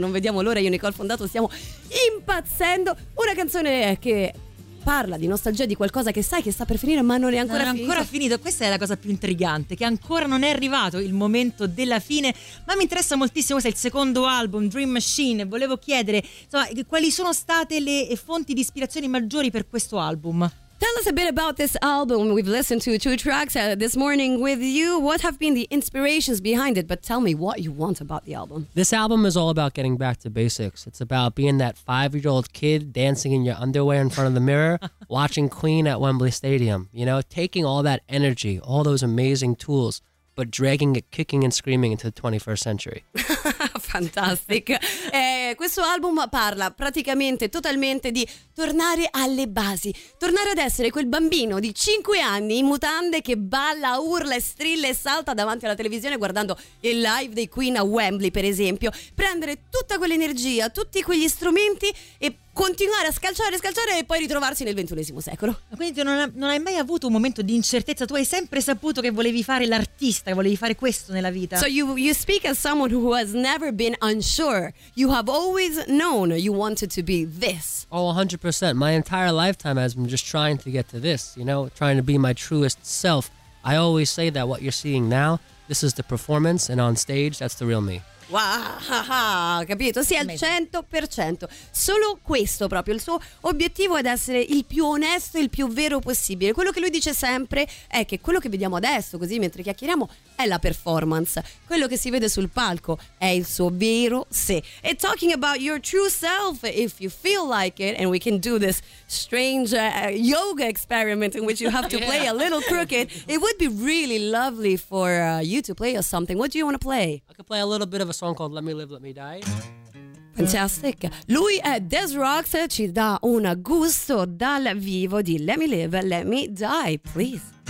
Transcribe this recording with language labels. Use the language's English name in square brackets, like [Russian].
[Italian] Non vediamo l'ora, io e Nicole Fondato stiamo impazzendo. Una canzone che parla di nostalgia, di qualcosa che sai che sta per finire ma non è ancora, non è ancora finito. Questa è la cosa più intrigante, che ancora non è arrivato il momento della fine, ma mi interessa moltissimo. Questo è il secondo album, Dream Machine. Volevo chiedere, insomma, quali sono state le fonti di ispirazione maggiori per questo album? [English] Tell us a bit about this album. We've listened to two tracks this morning with you. What have been the inspirations behind it? But tell me what you want about the album. This album is all about getting back to basics. It's about being that five-year-old kid dancing in your underwear in front of the mirror, watching Queen at Wembley Stadium. You know, taking all that energy, all those amazing tools, but dragging it, kicking and screaming into the 21st century. Fantastic. [Italian] Questo album parla praticamente totalmente di tornare alle basi, tornare ad essere quel bambino di 5 anni in mutande che balla, urla, strilla e salta davanti alla televisione guardando il live dei Queen a Wembley, per esempio. Prendere tutta quell'energia, tutti quegli strumenti e continuare a scalciare, scalciare e poi ritrovarsi nel XXI secolo. Quindi tu non hai mai avuto un momento di incertezza? Tu hai sempre saputo che volevi fare l'artista, che volevi fare questo nella vita. [English] So you speak as someone who has never been unsure. You have always known you wanted to be this. Oh, 100%. My entire lifetime has been just trying to get to this, you know, trying to be my truest self. I always say that what you're seeing now, this is the performance, and on stage, that's the real me. [Italian] Wow, capito? Sì, al 100%. Solo questo proprio, il suo obiettivo è essere il più onesto e il più vero possibile. Quello che lui dice sempre è che quello che vediamo adesso, così mentre chiacchieriamo, è la performance. Quello che si vede sul palco è il suo vero sé. [English] E talking about your true self, if you feel like it, and we can do this strange yoga experiment in which you have to play a little crooked, it would be really lovely for you to play us something. What do you want to play? I could play a little bit of a song called Let Me Live, Let Me Die. Fantastic. [Italian] Lui è Des Rocks, ci dà un gusto dal vivo di Let Me Live, Let Me Die, please.